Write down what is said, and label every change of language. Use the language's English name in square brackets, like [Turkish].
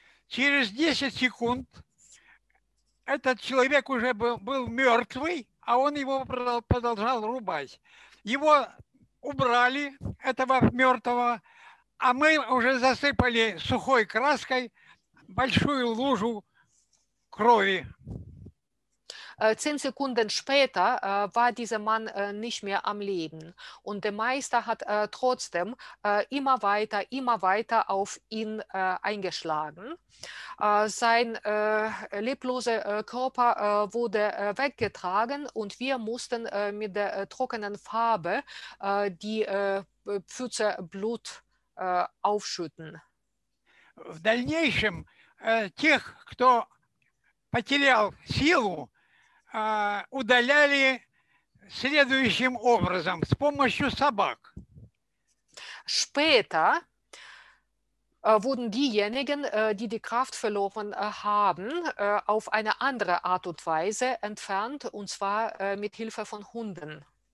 [Russian] Через 10 секунд этот человек уже был мертвый, а он его продолжал рубать. Его убрали, этого мертвого, а мы уже засыпали сухой краской большую лужу крови. [German] 10 Sekunden später war dieser Mann nicht mehr am Leben. Und der Meister hat trotzdem immer weiter auf ihn eingeschlagen. Sein lebloser Körper wurde weggetragen und wir mussten mit der trockenen Farbe die Pfütze Blut aufschütten. [Russian] В дальнейшем тех, кто потерял силу, удаляли следующим образом, с помощью собак. [German] Später wurden diejenigen, die die Kraft verloren haben, auf eine andere Art und Weise entfernt, und zwar mit Hilfe von Hunden.